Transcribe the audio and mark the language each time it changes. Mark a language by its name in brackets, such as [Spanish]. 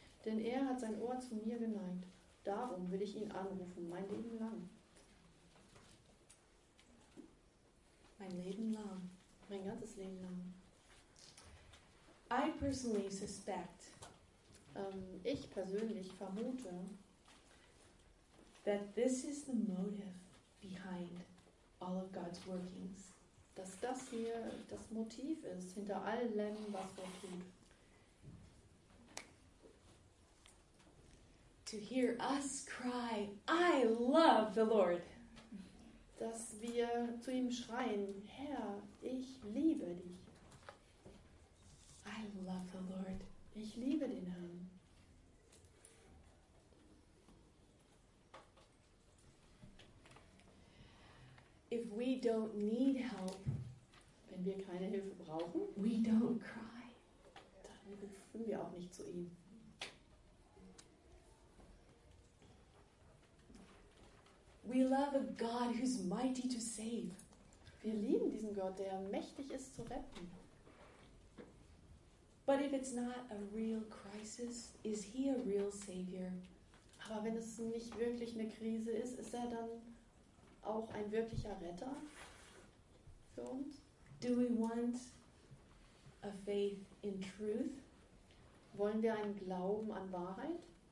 [German] Denn er hat sein Ohr zu mir geneigt. Darum will ich ihn anrufen, mein Leben lang. Mein Leben lang. Mein ganzes Leben lang. [English] I personally suspect, [German] ich persönlich vermute, [English] that this is the motive behind all of God's workings. [German] Dass das hier das Motiv ist hinter allem, was Gott tut. [English] To hear us cry, I love the Lord. [German] Dass wir zu ihm schreien, Herr, ich liebe dich. [English] I love the Lord. [German] Ich liebe den Herrn. [English] If we don't need help, [German] wenn wir keine Hilfe brauchen, [English] we don't cry. [German] Dann rufen wir auch nicht zu ihm. [English] We love a God who's mighty to save. [German] Wir lieben diesen Gott, der mächtig ist zu retten. [English] But if it's not a real crisis, is he a real savior? [German] Aber wenn es nicht wirklich eine Krise ist, ist er dann auch ein wirklicher Retter für uns? [English] Do we want a faith in truth? [German] Wollen wir einen Glauben an Wahrheit?